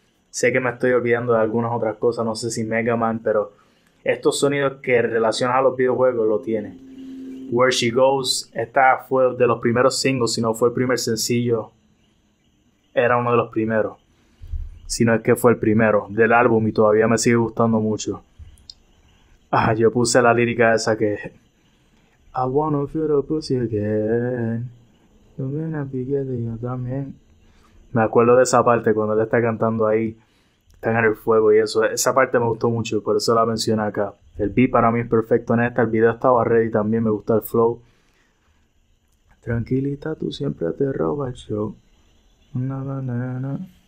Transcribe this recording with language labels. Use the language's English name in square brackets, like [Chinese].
[Spanish] Sé que me estoy olvidando de algunas otras cosas, no sé si Mega Man, pero estos sonidos que relacionan a los videojuegos lo tiene. Where She Goes, esta fue de los primeros singles, si no fue el primer sencillo, era uno de los primeros, si no es que fue el primero del álbum y todavía me sigue gustando mucho. Ah, yo puse la lírica esa que... [English] I wanna feel the pussy again. [Spanish] Yo también. Me acuerdo de esa parte cuando él está cantando ahí. Está en el fuego y eso. Esa parte me gustó mucho, por eso la mencioné acá. El beat para mí es perfecto en esta. El video estaba ready también. Me gusta el flow. Tranquilita, tú siempre te robas el show. Una banana.